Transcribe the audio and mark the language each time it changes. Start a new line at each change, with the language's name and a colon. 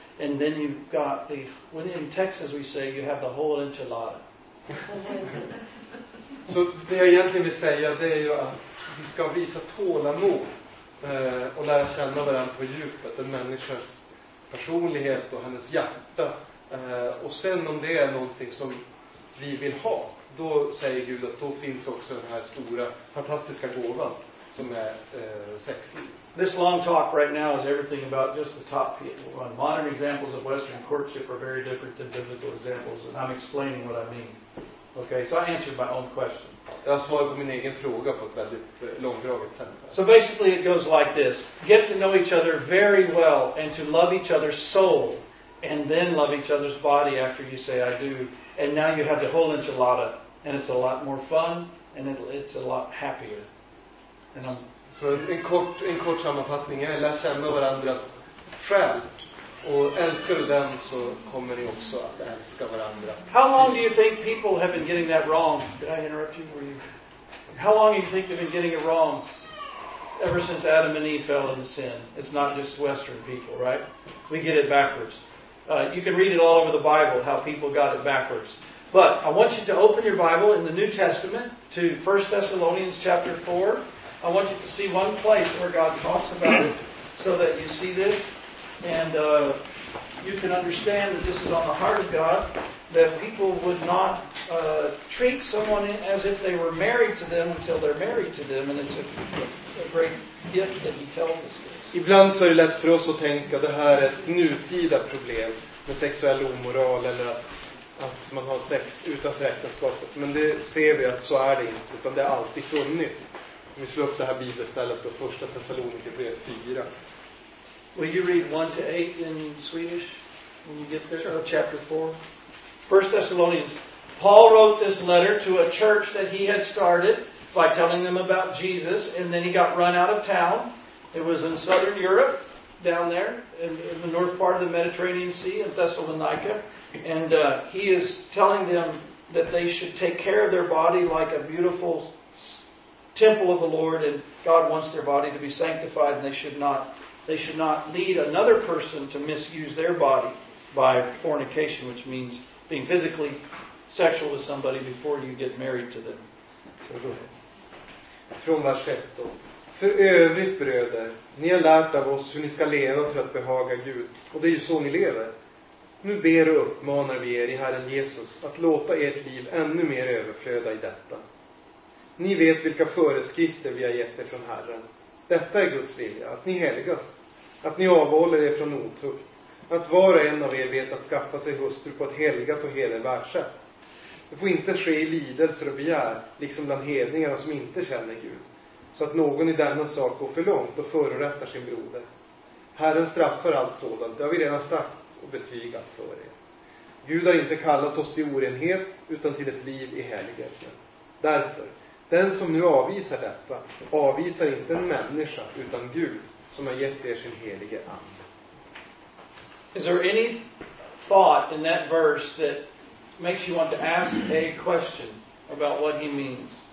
English: And then you've got the, when in Texas we say, you have the whole enchilada.
Swedish: So det jag egentligen vill säga, det är ju att vi ska visa tålamod och lära känna varandra på djupet, en människas personlighet och hennes hjärta. Och sen om det är någonting som vi vill ha, då säger Gud att då finns också den här stora, fantastiska gåvan som är sexliv.
English: This long talk right now is everything about just the top people. Modern examples of Western courtship are very different than biblical examples, and I'm explaining what I mean. Okay, so I answered my own question.
Swedish: Jag svarade på min egen fråga på ett väldigt långdraget sätt.
English: So basically it goes like this. Get to know each other very well and to love each other's soul and then love each other's body after you say I do. And now you have the whole enchilada and it's a lot more fun and it's a lot happier.
Swedish: And en kort sammanfattning är, lär känna varandras själ. Och älskar du den så kommer ni också att älska varandra.
English: How long do you think people have been getting that wrong? Did I interrupt you? Were you? How long do you think they've been getting it wrong? Ever since Adam and Eve fell into sin. It's not just Western people, right? We get it backwards. You can read it all over the Bible, how people got it backwards. But I want you to open your Bible in the New Testament to 1 Thessalonians chapter 4. I want you to see one place where God talks about it so that you see this. And you can understand that this is on the heart of God, that people would not treat someone as if they were married to them until they're married to them. And it's a great gift that he tells us this.
Swedish: Ibland så är det lätt för oss att tänka att det här är ett nutida problem med sexuell omoral eller att man har sex utanför äktenskapet. Men det ser vi att så är det inte, utan det har alltid funnits. Om vi slår upp det här bibelstället då, 1 Thessalonikerbrevet 4.
English: Will you read 1-8 in Swedish when you get there? Sure. Chapter 4. 1 Thessalonians. Paul wrote this letter to a church that he had started by telling them about Jesus, and then he got run out of town. It was in southern Europe, down there, in the north part of the Mediterranean Sea, in Thessalonica. And he is telling them that they should take care of their body like a beautiful temple of the Lord, and God wants their body to be sanctified, and they should not lead another person to misuse their body by fornication, which means being physically sexual with somebody before you get married to them. So go ahead.
Swedish: Från vers 1 då. För övrigt bröder, ni har lärt av oss hur ni ska leva för att behaga Gud. Och det är ju så ni lever. Nu ber och uppmanar vi er i Herren Jesus att låta ert liv ännu mer överflöda i detta. Ni vet vilka föreskrifter vi har gett er från Herren. Detta är Guds vilja, att ni helgas, att ni avhåller er från otukt, att var och en av er vet att skaffa sig hustru på ett helgat och hedervärt sätt. Det får inte ske i lidelser och begär, liksom bland hedningarna som inte känner Gud, så att någon i denna sak går för långt och förorättar sin broder. Herren straffar allt sådant, det har vi redan sagt och betygat för er. Gud har inte kallat oss till orenhet, utan till ett liv i helgelse. Därför, den som nu avvisar detta, avvisar inte en människa, utan Gud, som har gett er sin helige ande.
English: Is there any thought in that verse that makes you want to ask a question about what he means?